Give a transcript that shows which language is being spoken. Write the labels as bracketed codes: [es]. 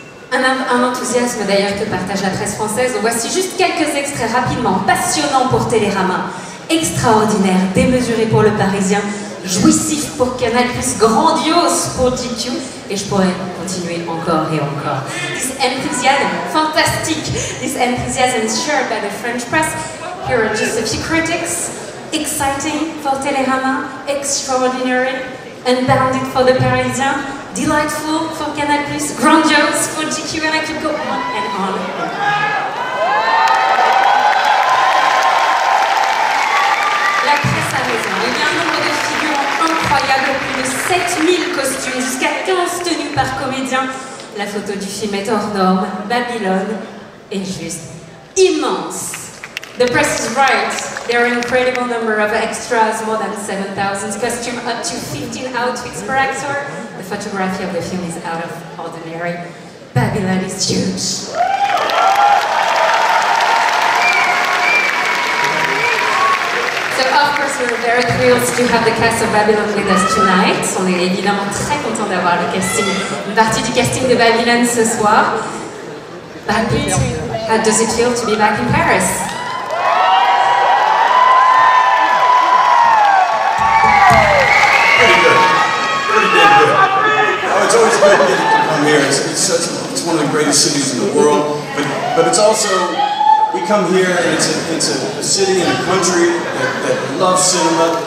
[fr] Un enthousiasme d'ailleurs que partage la presse française. Voici juste quelques extraits rapidement. Passionnant pour Télérama, extraordinaire, démesuré pour Le Parisien, jouissif pour Canal+, grandiose pour GQ. Et je pourrais continuer encore et encore. [en] This enthusiasm, [fr] fantastique. [en] This enthusiasm is shared by the French press. Here are just a few critics. Exciting for Télérama, extraordinary, unbounded for Le Parisien. Delightful for Canal+, grandiose for GQ, and I could go on and on. [fr] La presse a raison. Il y a un nombre de figures incroyables, plus de 7000 costumes, jusqu'à 15 tenues par comédien. La photo du film est hors norme. Babylone est juste immense. [en] The press is right. There are an incredible number of extras, more than 7,000 costumes, up to 15 outfits per actor. The photography of the film is out of ordinary. Babylon is huge. So of course we're very thrilled to have the cast of Babylon with us tonight. [fr] On est évidemment très content d'avoir le casting, une partie du casting de Babylon ce soir. [en] Babylon, how does it feel to be back in Paris? It's one of the greatest cities in the world, but it's also, we come here and it's a city and a country that loves cinema.